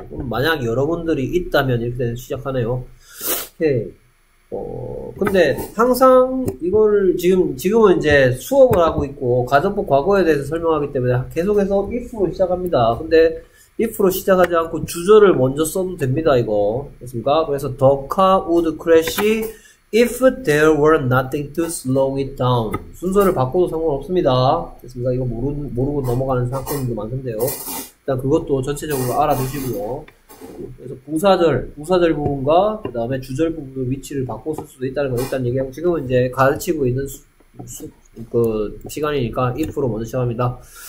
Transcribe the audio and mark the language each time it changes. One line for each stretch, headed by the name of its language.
Korean: 그럼 만약 여러분들이 있다면 이렇게 시작하네요. 오케이. 근데 항상 이걸 지금은 이제 수업을 하고 있고 가정법 과거에 대해서 설명하기 때문에 계속해서 if로 시작합니다. 근데 if로 시작하지 않고 주절을 먼저 써도 됩니다. 이거 됐습니까? 그래서
English: the car would crash if there were nothing to slow it down.
Korean: 순서를 바꿔도 상관없습니다. 됐습니까? 이거 모르고 넘어가는 사건도 많던데요. 일단 그것도 전체적으로 알아두시고요. 그래서 부사절 부분과 그 다음에 주절 부분의 위치를 바꿔 쓸 수도 있다는 걸 일단 얘기하고, 지금은 이제 가르치고 있는 그 시간이니까 if로 먼저 시작합니다.